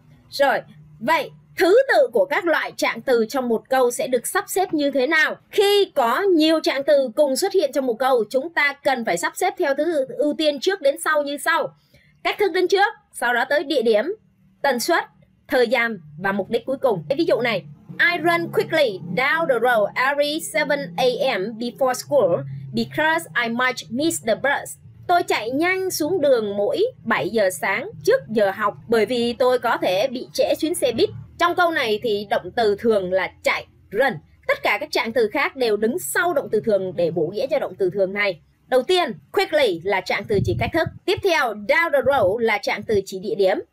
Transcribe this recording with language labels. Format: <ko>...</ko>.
<vi>Rồi, vậy thứ tự của các loại trạng từ trong một câu sẽ được sắp xếp như thế nào? Khi có nhiều trạng từ cùng xuất hiện trong một câu, chúng ta cần phải sắp xếp theo thứ ưu tiên trước đến sau như sau. Cách thức đến trước, sau đó tới địa điểm, tần suất, thời gian và mục đích cuối cùng. Ví dụ này,</vi> <en>I run quickly down the road every 7 a.m. before school because I might miss the bus.</en> <vi>Tôi chạy nhanh xuống đường mỗi 7 giờ sáng trước giờ học bởi vì tôi có thể bị trễ chuyến xe buýt. Trong câu này thì động từ thường là chạy, run. Tất cả các trạng từ khác đều đứng sau động từ thường để bổ nghĩa cho động từ thường này. Đầu tiên, quickly là trạng từ chỉ cách thức. Tiếp theo,</vi> <en>down the road</en> <vi>là trạng từ chỉ địa điểm.</vi>